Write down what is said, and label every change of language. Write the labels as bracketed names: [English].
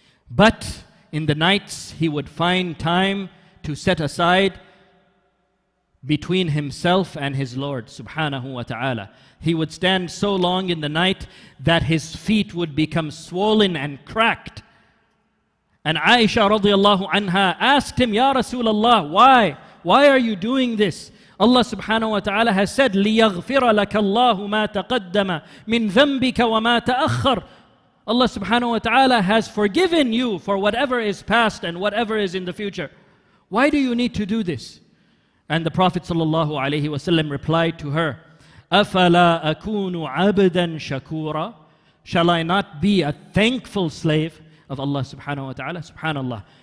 [English] But in the nights, he would find time to set aside between himself and his Lord, subhanahu wa ta'ala. He would stand so long in the night that his feet would become swollen and cracked. And Aisha radiallahu anha asked him, Ya Rasulullah, why? Why are you doing this? [Arabic] Allah subhanahu wa ta'ala has said, لِيَغْفِرَ لَكَ اللَّهُ مَا تَقَدَّمَ مِنْ ذَنْبِكَ وَمَا تَأَخَّرَ. [English] Allah subhanahu wa ta'ala has forgiven you for whatever is past and whatever is in the future. Why do you need to do this? And the Prophet sallallahu alayhi wa sallam replied to her, [Arabic] أَفَلَا أَكُونُ عَبْدًا شَكُورًا. [English] Shall I not be a thankful slave of Allah subhanahu wa ta'ala? Subhanallah.